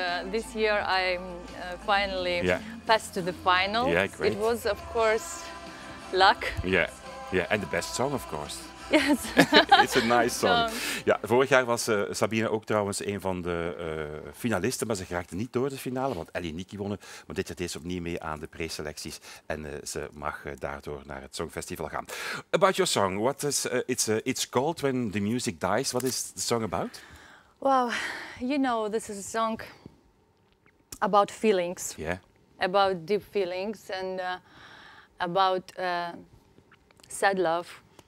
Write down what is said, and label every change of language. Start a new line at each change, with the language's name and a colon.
English: this year I finally passed to the final. Yeah, great. It was, of course, luck. Yeah, yeah, and the best song, of course. Yes. It's a nice song.
Dutch: Ja, vorig jaar was Sabine ook trouwens een van de finalisten, maar ze geraakte niet door de finale, want Ellie en Nicky wonnen. Maar dit jaar deed ze opnieuw mee aan de preselecties en ze mag daardoor naar het Songfestival gaan.
English: About your song, what is it's called when the music dies? What is the song about? Well, you know, this is a song about feelings, about deep feelings, and about sad love.